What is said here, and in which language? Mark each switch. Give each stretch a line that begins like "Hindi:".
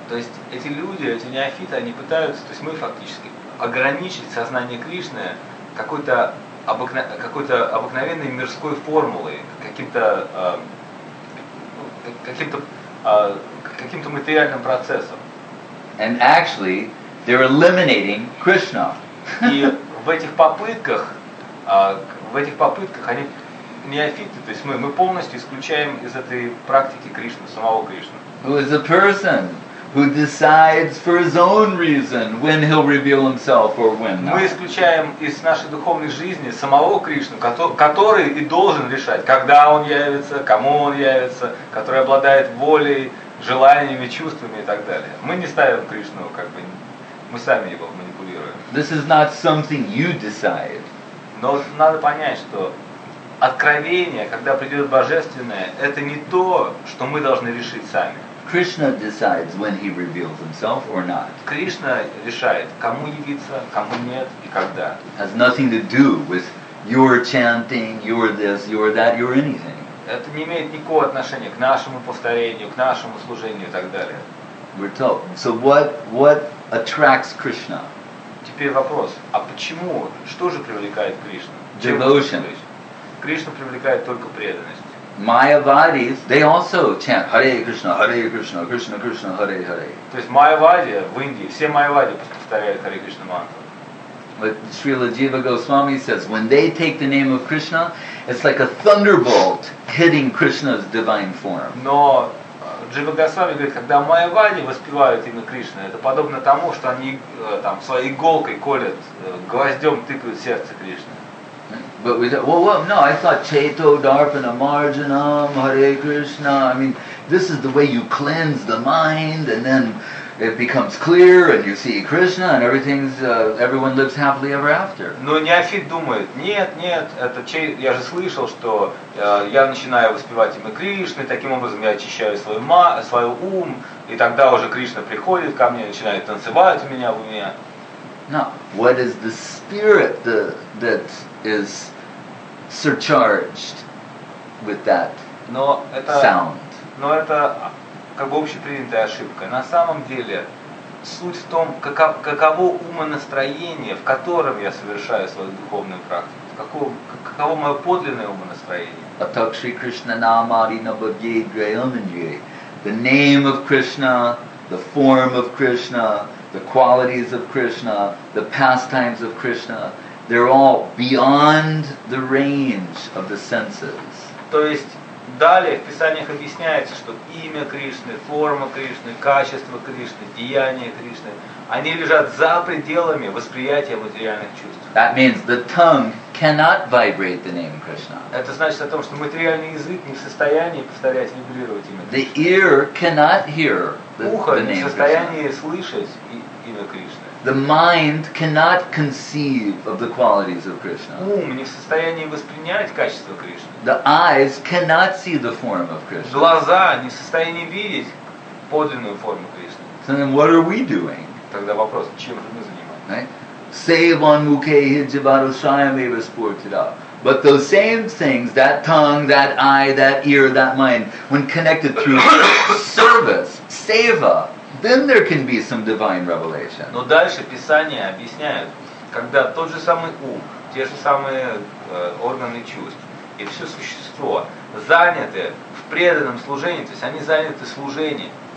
Russian: То есть эти люди, эти неофиты, они пытаются, то есть мы фактически ограничить сознание Кришны какой-то обыкновенной мирской формулой, каким-то материальным процессом.
English: And actually, they're eliminating Krishna.
Russian: И в этих попытках они неофиты, то есть мы полностью исключаем из этой практики Кришну, самого Кришну.
English: Who is a person who decides for his own reason when he'll reveal himself or when not?
Russian: Мы исключаем из нашей духовной жизни самого Кришну, который и должен решать, когда он явится, кому он явится, который обладает волей, желаниями, чувствами и так далее. Мы не ставим Кришну, как бы, мы сами его манипулируем.
English: This is not something you decide.
Russian: Но надо понять, что откровение, когда придет божественное, это не то, что мы должны решить сами.
English: Krishna decides when he reveals himself or not.
Russian: Кришна решает, кому явиться, кому нет и когда.
English: Has nothing to do with your chanting, your this, your that, your anything.
Russian: Это не имеет никакого отношения к нашему повторению, к нашему служению и так далее.
English: We're told. So what attracts Krishna?
Russian: Теперь вопрос, а почему, что же привлекает Кришну?
English: Devotion.
Russian: Кришна привлекает только преданность.
English: Mayavadis, they also chant Hare Krishna, Hare Krishna, Krishna Krishna, Hare Hare.
Russian: То есть Майявади в Индии, все Майявади повторяют Hare Krishna мантру.
English: But Srila Jiva Goswami says, when they take the name of Krishna, it's like a thunderbolt hitting Krishna's divine form.
Russian: Но Джива Госвами говорит, когда Майявади воспевают имя Кришны, это подобно тому, что они там своей иголкой колят, гвоздем тыкают сердце Кришны.
English: But we thought, no, I thought
Sanskrit: Cheto Darpana Marjanam
English: Hare Krishna. I mean, this is the way you cleanse the mind and then it becomes clear and you see Krishna and everyone lives happily ever after.
Russian: Но неофит думает, нет, это я же слышал, что я начинаю воспевать имя Кришны, таким образом я очищаю свой ум, и тогда уже Кришна приходит ко мне, начинает танцевать у меня в уме.
English: Now, what is the spirit that is surcharged with that sound?
Russian: Но это как бы общепринятая ошибка. На самом деле, суть в том, каково умонастроение, в котором я совершаю свою духовную практику. Каково мое подлинное умонастроение?
Sanskrit: Атак Шри Кришна Намари Набабье Грайоманье.
English: The name of Krishna, the form of Krishna, the qualities of Krishna, the pastimes of Krishna, they're all beyond the range of the senses.
Russian: То есть Далее в Писаниях объясняется, что имя Кришны, форма Кришны, качество Кришны, деяния Кришны, они лежат за пределами восприятия материальных чувств.
English: That means the tongue cannot vibrate the name Krishna.
Russian: Это значит о том, что материальный язык не в состоянии повторять, вибрировать имя Кришны.
English: The ear cannot hear the name
Russian: Krishna. Ухо не в состоянии слышать имя Кришны.
English: The mind cannot conceive of the qualities of Krishna.
Russian: Ум не в состоянии воспринять качество Кришны.
English: The eyes cannot see the form of Krishna.
Russian: Глаза не в состоянии видеть подлинную форму Кришны.
English: So then what are we doing?
Russian: Тогда вопрос, чем же мы занимаемся?
Sanskrit: Sevan mukhe jivaro shayameva sportida.
English: But those same things, that tongue, that eye, that ear, that mind, when connected through service, seva, then there can be some divine revelation.
Russian: Но дальше Писание объясняет, когда тот же самый ум, те же самые органы чувств и все существо заняты в преданном служении, то есть они заняты служением,